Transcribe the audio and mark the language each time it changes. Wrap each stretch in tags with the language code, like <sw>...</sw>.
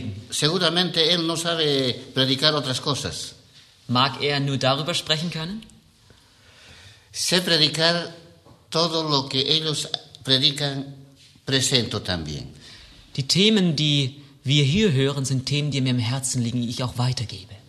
<es>Seguramente él no sabe predicar otras cosas.</es> <de>Mag er nur darüber sprechen können?</de> <es>Sé predicar todo lo que ellos predican, presento también.</es> <de>Die Themen, die wir hier hören, sind Themen, die mir im Herzen liegen, die ich auch weitergebe.</de>